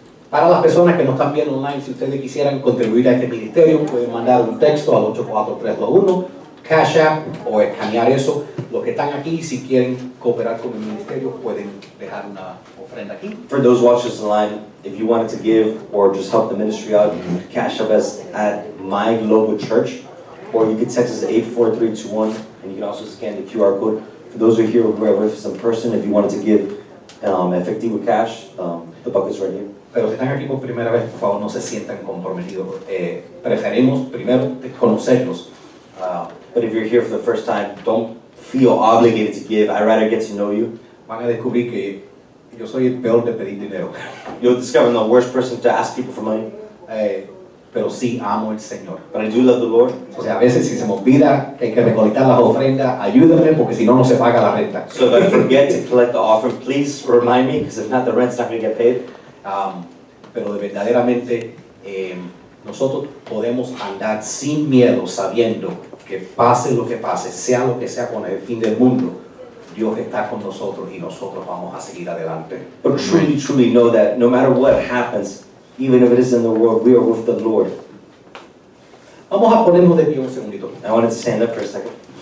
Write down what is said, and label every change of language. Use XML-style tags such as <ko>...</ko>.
<es>Para las personas que nos están viendo online, si ustedes quisieran contribuir a este ministerio, pueden mandar un texto al 84321, Cash App, o escanear eso. Los que están aquí, si quieren cooperar con el ministerio, pueden dejar una ofrenda aquí.</es> <en>For those watching online, if you wanted to give or just help the ministry out, Cash App us at My Global Church. Or you can text us at 84321, and you can also scan the QR code. For those who are here, whoever is in person, if you wanted to give efectivo cash, the bucket's right here.</en> <es>Pero si están aquí por primera vez, por favor, no se sientan comprometidos. Preferimos primero conocerlos.</es> <en>But if you're here for the first time, don't feel obligated to give. I'd rather get to know you.</en> <es>Van a descubrir que yo soy el peor de pedir dinero.</es> <en>You'll discover I'm the worst person to ask people for money.</en> <es>pero sí amo el Señor.</es> <en>But I do love the Lord.</en> <es>O sea, a veces si se me olvida que hay que recolectar las ofrendas, ayúdame porque si no, no se paga la renta.</es> <en>So if I forget to collect the offering, please remind me, because if not, the rent's not going to get paid.</en> <es>Pero de verdaderamente, nosotros podemos andar sin miedo sabiendo que pase lo que pase, sea lo que sea con el fin del mundo, Dios está con nosotros y nosotros vamos a seguir adelante.</es> <en>But truly, truly know that no matter what happens, even if it is in the world, we are with the Lord.</en> <es>Vamos a ponernos de pie un segundito.</es> <en>I want to stand up for a second.</en>